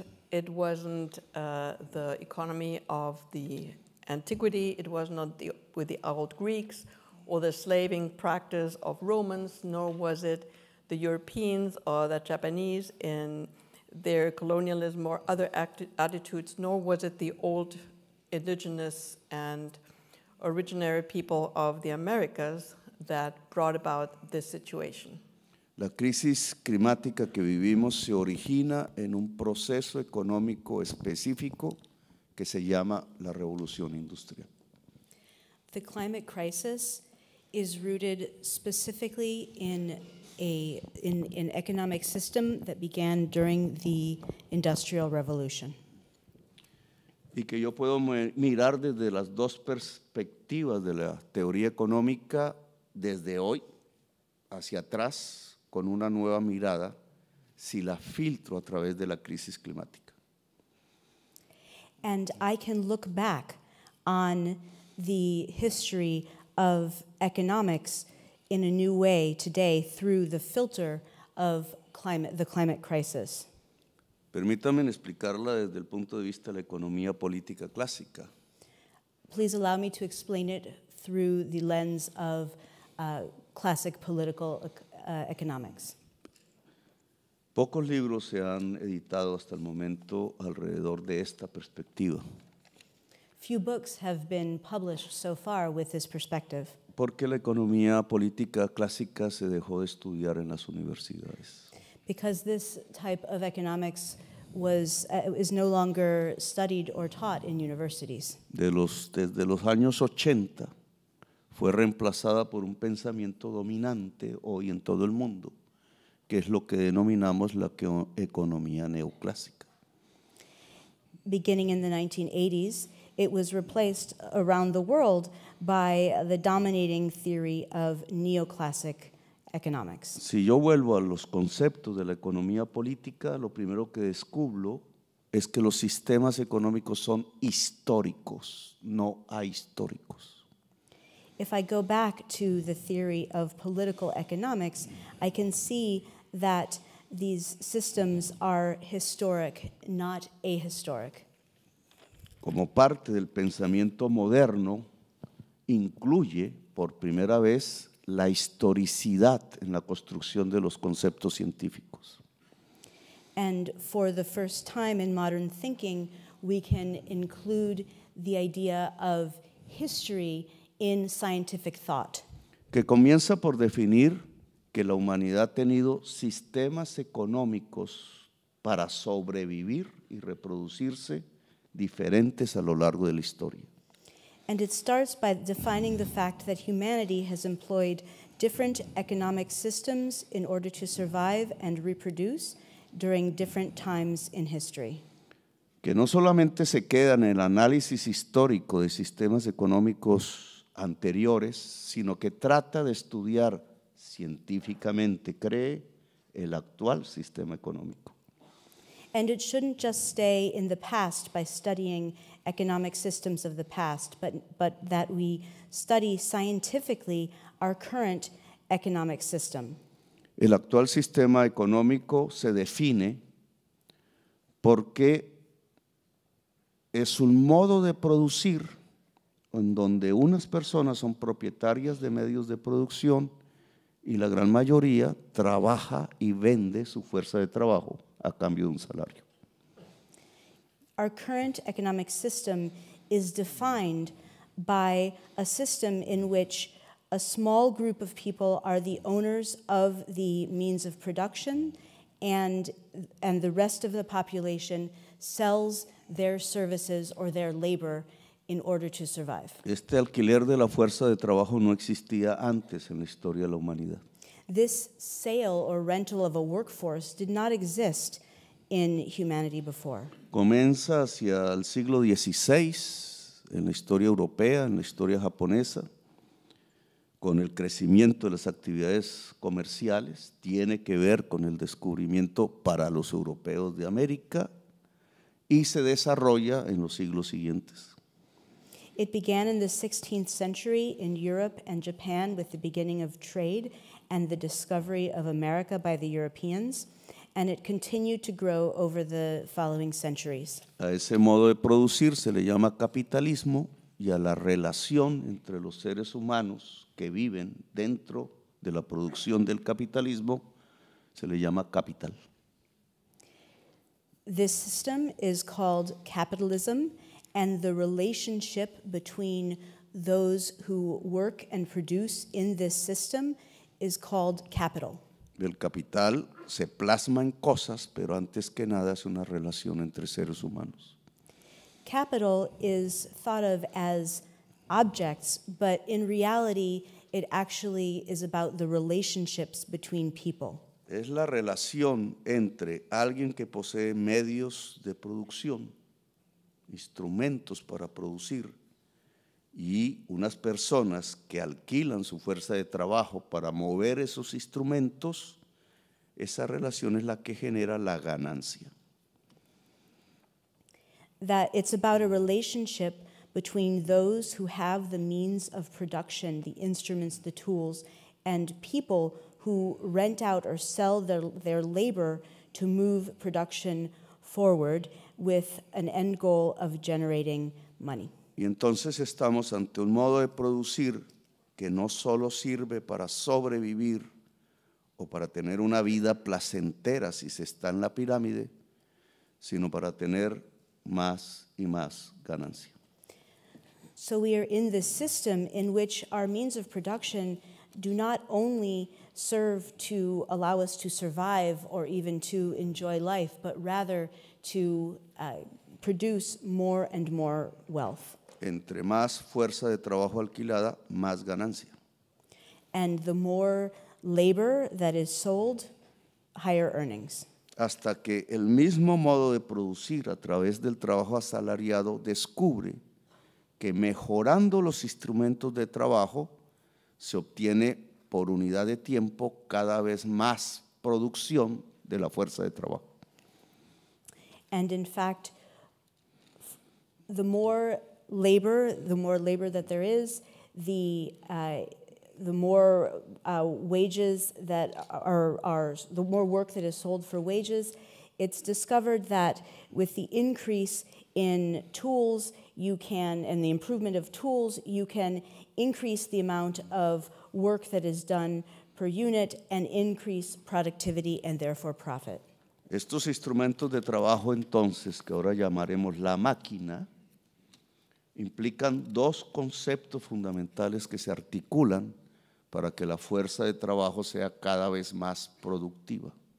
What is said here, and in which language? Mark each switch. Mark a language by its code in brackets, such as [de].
[en] It wasn't the economy of the antiquity, it was not with the old Greeks or the slaving practice of Romans, nor was it the Europeans or the Japanese in their colonialism or other attitudes, nor was it the old indigenous and originary people of the Americas that brought about this situation. [es] La crisis climática que vivimos se origina en un proceso económico específico que se llama la revolución industrial. [en] The climate crisis is rooted specifically in an economic system that began during the Industrial Revolution. [es] Y que yo puedo mirar desde las dos perspectivas de la teoría económica desde hoy hacia atrás con una nueva mirada si la filtro a través de la crisis climática. [en] And I can look back on the history of economics in a new way today through the filter of the climate crisis. [es] Permítame explicarla desde el punto de vista de la economía política clásica. [en] Please allow me to explain it through the lens of classic political economics. [es] Pocos libros se han editado hasta el momento alrededor de esta perspectiva. [en] Few books have been published so far with this perspective. [es] Porque la economía política clásica se dejó de estudiar en las universidades. [en] Because this type of economics is no longer studied or taught in universities. [es] Desde los años 80 fue reemplazada por un pensamiento dominante hoy en todo el mundo, que es lo que denominamos la economía neoclásica. [en] Beginning in the 1980s, it was replaced around the world by the dominating theory of neoclassic economics. [es] Si yo vuelvo a los conceptos de la economía política, lo primero que descubro es que los sistemas económicos son históricos, no ahistóricos. [en] If I go back to the theory of political economics, I can see that these systems are historic, not ahistoric. [es] Como parte del pensamiento moderno, incluye por primera vez la historicidad en la construcción de los conceptos científicos. [en] And for the first time in modern thinking, we can include the idea of history in scientific thought. [es] Que comienza por definir que la humanidad ha tenido sistemas económicos para sobrevivir y reproducirse diferentes a lo largo de la historia. [en] And it starts by defining the fact that humanity has employed different economic systems in order to survive and reproduce during different times in history. [es] Que no solamente se queda en el análisis histórico de sistemas económicos anteriores, sino que trata de estudiar científicamente, cree, el actual sistema económico. [en] And it shouldn't just stay in the past by studying economic systems of the past, but that we study scientifically our current economic system. [es] El actual sistema económico se define porque es un modo de producir en donde unas personas son propietarias de medios de producción y la gran mayoría trabaja y vende su fuerza de trabajo a cambio de un salario. [en] Our current economic system is defined by a system in which a small group of people are the owners of the means of production and the rest of the population sells their services or their labor in order to survive. [es] Este alquiler de la fuerza de trabajo no existía antes en la historia de la humanidad. [en] This sale or rental of a workforce did not exist in humanity before. [es] Comienza hacia el siglo XVI en la historia europea, en la historia japonesa, con el crecimiento de las actividades comerciales, tiene que ver con el descubrimiento para los europeos de América y se desarrolla en los siglos siguientes. [en] It began in the 16th century in Europe and Japan with the beginning of trade and the discovery of America by the Europeans, and it continued to grow over the following centuries. [es] A ese modo de producir se le llama capitalismo y a la relación entre los seres humanos que viven dentro de la producción del capitalismo se le llama capital. [en] This system is called capitalism, and the relationship between those who work and produce in this system is called capital. [es] El capital se plasma en cosas, pero antes que nada es una relación entre seres humanos. [en] Capital is thought of as objects, but in reality, it actually is about the relationships between people. [es] Es la relación entre alguien que posee medios de producción, instrumentos para producir, y unas personas que alquilan su fuerza de trabajo para mover esos instrumentos, esa relación es la que genera la ganancia. [en] That it's about a relationship between those who have the means of production, the instruments, the tools, and people who rent out or sell their labor to move production forward with an end goal of generating money. [es] Y entonces estamos ante un modo de producir que no solo sirve para sobrevivir o para tener una vida placentera si se está en la pirámide, sino para tener más y más ganancia. [en] So we are in this system in which our means of production do not only serve to allow us to survive or even to enjoy life, but rather to produce more and more wealth. [es] Entre más fuerza de trabajo alquilada, más ganancia. [en] And the more labor that is sold, higher earnings. [es] Hasta que el mismo modo de producir a través del trabajo asalariado descubre que mejorando los instrumentos de trabajo se obtiene por unidad de tiempo cada vez más producción de la fuerza de trabajo. [en] And in fact, the more labor that there is, the more work that is sold for wages, it's discovered that with the increase in tools, you can, and the improvement of tools, you can increase the amount of work that is done per unit and increase productivity and therefore profit. [es] Estos instrumentos de trabajo entonces, que ahora llamaremos la máquina, implican dos conceptos fundamentales que se articulan para que la fuerza de trabajo sea cada vez más productiva.